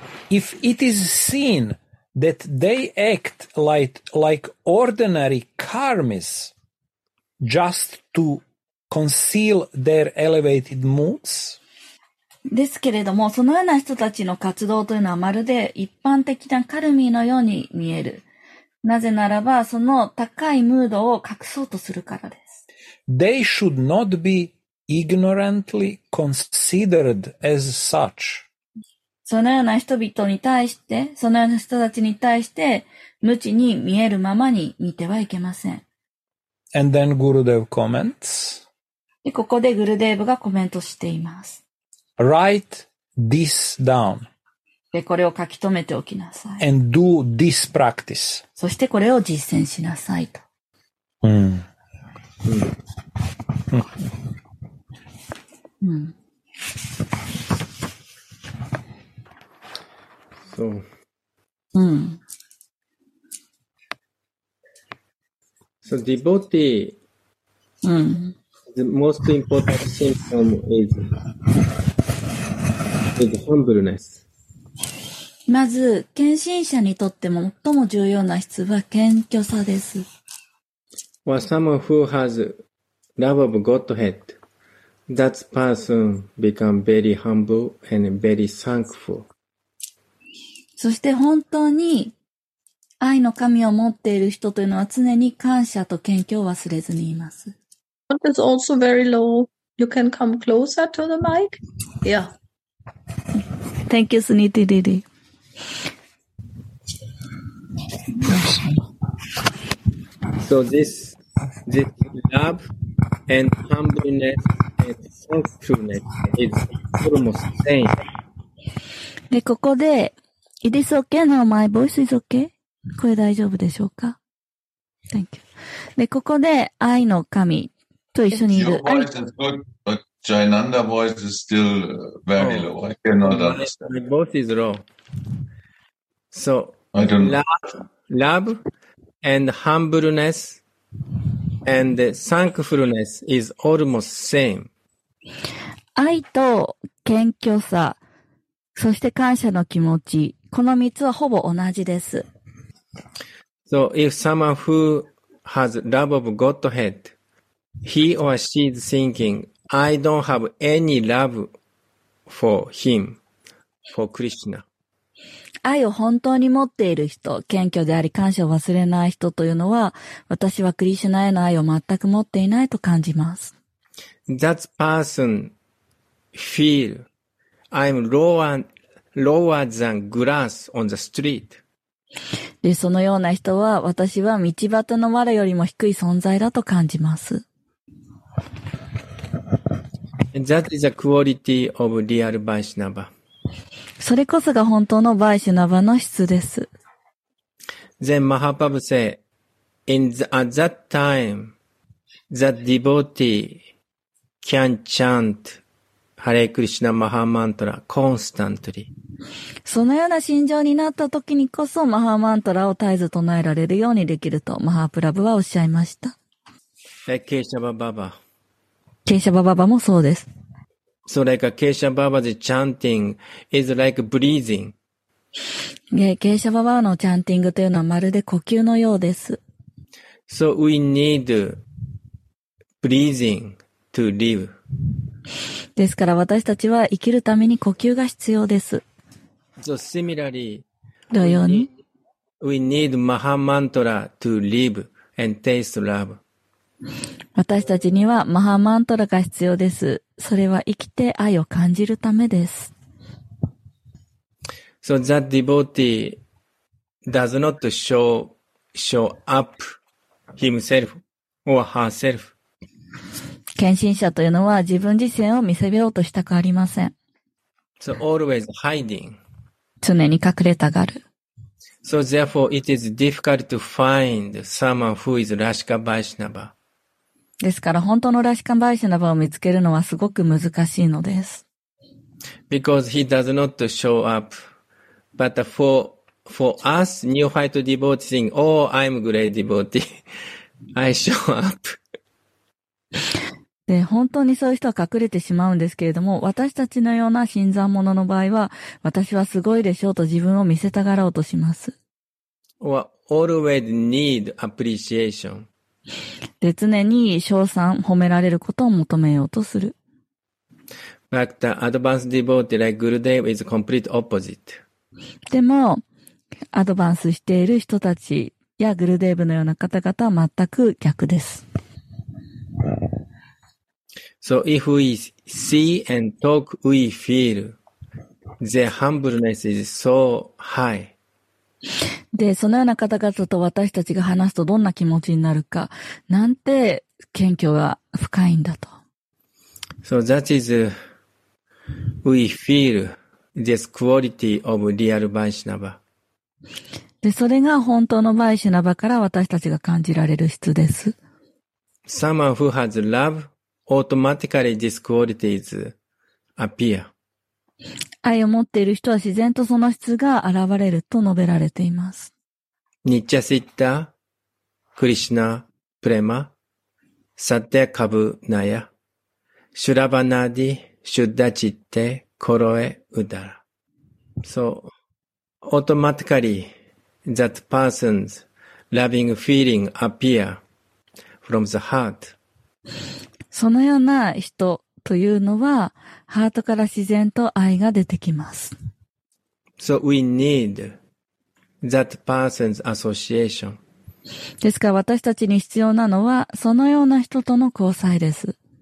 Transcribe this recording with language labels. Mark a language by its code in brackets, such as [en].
[en] if it is seen that they act like ordinary karmis just to conceal their elevated moods. [ja] ですけれども、そのような人たちの活動というのはまるで一般的なカルミのように見える。なぜならば、その高いムードを隠そうとするからです。 [en] They should not be ignorantly considered as such. [ja] そのような人々に対して、そのような人たちに対して、無知に見えるままに見てはいけません。 [en] And then Gurudev comments. [ja] で、ここでグルデーブがコメントしています。 [en] Write this down. [ja] で、これを書き留めておきなさい。 [en] And do this practice. [ja] そしてこれを実践しなさいと。うん。うん。うん。 [en] So, devotee, the most important symptom is humbleness. [ja] まず、献身者にとって最も重要な質は謙虚さです。 [en] Well, someone who has love of Godhead, that person becomes very humble and very thankful. [ja] そして本当に愛の神を持っている人というのは常に感謝と謙虚を忘れずにいます。 [en] That is also very low. You can come closer to the mic. Yeah. Thank you, Suniti Didi. So this love and humbleness and thankfulness is almost the same. [ja] で、ここで [en] It is okay now, my voice is okay. [ja] 声大丈夫でしょうか? [en] Thank you. [ja] で、ここで愛の神と一緒にいる。 [en] Your voice is good, but Jainanda voice is still very low. I cannot understand. My voice is low. So, I don't know. Love and humbleness and thankfulness is almost same. [ja] 愛と謙虚さ、そして感謝の気持ち、この三つはほぼ同じです。 [en] So, if someone who has love of Godhead, he or she is thinking, I don't have any love for him, for Krishna. [ja] 愛を本当に持っている人、謙虚であり感謝を忘れない人というのは、私はクリシュナへの愛を全く持っていないと感じます。 [en] That person feel I'm lower than grass on the street. [ja] で、そのような人は、私は道端のわらよりも低い存在だと感じます。 [en] That is the quality of real Vaishnava. [ja] それこそが本当のバイシュナバの質です。 [en] Then Mahaprabhu say, at that time, the devotee can chant Hare Krishna Maha Mantra constantly. [ja] そのような心情になった時にこそマハマントラを絶えず唱えられるようにできるとマハプラブはおっしゃいました。ケイシャバババケイシャバババもそうです。 [en] So like ケイシャババ's chanting is like breathing. [ja] ケイシャババのチャンティングというのはまるで呼吸のようです。 [en] So we need breathing to live. [ja] ですから私たちは生きるために呼吸が必要です。 [en] So similarly, [ja] 同様に [en] we need Maha Mantra to live and taste love. [ja] 私たちにはマハマントラが必要です。それは生きて愛を感じるためです。 [en] So that devotee does not show up himself or herself. [ja] 献身者というのは自分自身を見せようとしたくありません。 [en] So always hiding. [ja] 常に隠れたがる。 [en] So therefore it is difficult to find someone who is Rashika Vaishnava. [ja] ですから本当のラシカバイシナバを見つけるのはすごく難しいのです。 [en] Because he does not show up. But for us, new fight devotees think, oh, I'm a great devotee. I show up. [ja] で、本当にそういう人は隠れてしまうんですけれども、私たちのような新参者の場合は、私はすごいでしょうと自分を見せたがろうとします。 [en] Or always need appreciation. [ja] で、常に称賛、褒められることを求めようとする。 [en] But the advanced devotee like Gurudev is complete opposite. [ja] でも、アドバンスしている人たちやグルデーブのような方々は全く逆です。 [en] So if we see and talk, we feel their humbleness is so high. [ja] で、そのような方々と私たちが話すとどんな気持ちになるか、なんて謙虚が深いんだと。 [en] So that is, we feel this quality of real Vaishnava. [ja] で、それが本当のバイシュナバから私たちが感じられる質です。 [en] Someone who has love,Automatically, this quality is appear. [ja] 愛を持っている人は自然とその質が現れると述べられています。 [sa] ニッチャシッタ、クリシナ、プレマ、サテカブナヤ、シュラバナディ、シュッダチッテ、コロエウダラ。 [en] So, automatically, that person's loving feeling appear from the heart. [ja] そのような人というのは、ハートから自然と愛が出てきます。 [en] So we need that person's association. [ja] ですから私たちに必要なのは、そのような人との交際です。